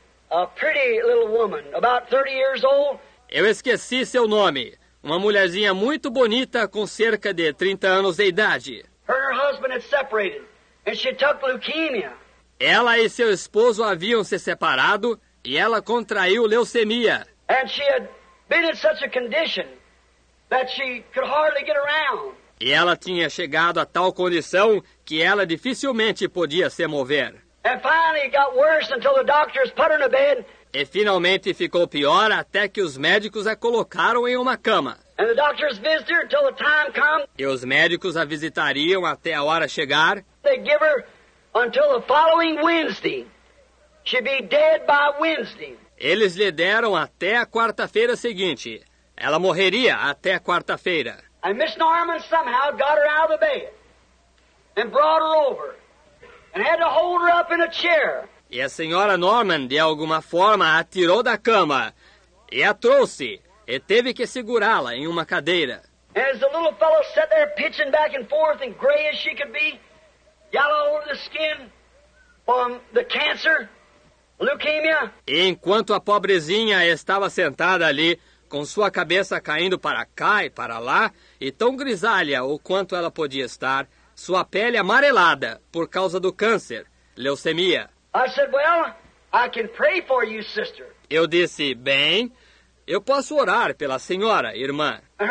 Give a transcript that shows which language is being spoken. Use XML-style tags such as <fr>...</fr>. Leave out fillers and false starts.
<en>A pretty little woman, about 30 years old.</en> <pt>Eu esqueci seu nome. Uma mulherzinha muito bonita com cerca de 30 anos de idade.</pt> <en>Her husband had separated, and she took leukemia.</en> <pt>Ela e seu esposo haviam se separado e ela contraiu leucemia.</pt> <en>And she had been in such a condition that she could hardly get around.</en> <pt>E ela tinha chegado a tal condição que ela dificilmente podia se mover.</pt> <en>And finally it got worse until the doctors put her in a bed.</en> <pt>E finalmente ficou pior até que os médicos a colocaram em uma cama.</pt> <en>And the doctors visit her until the time comes.</en> <pt>E os médicos a visitariam até a hora chegar.</pt> <en>They give her until the following Wednesday. She'd be dead by Wednesday.</en> <pt>Eles lhe deram até a quarta-feira seguinte. Ela morreria até a quarta-feira.</pt> <en>And Miss Norman somehow got her out of the bed and brought her over. And had to hold her up in a chair.</en> <pt>E a senhora Norman, de alguma forma, a tirou da cama e a trouxe e teve que segurá-la em uma cadeira.</pt> <en>And as the little fellow sat there pitching back and forth and gray as she could be, yellow over the skin from the cancer, leukemia.</en> <pt>E enquanto a pobrezinha estava sentada ali, com sua cabeça caindo para cá e para lá, e tão grisalha o quanto ela podia estar, sua pele amarelada por causa do câncer, leucemia.</pt> <en>I said, well, I can pray for you, sister.</en> <pt>Eu disse, bem, eu posso orar pela senhora, irmã.</pt>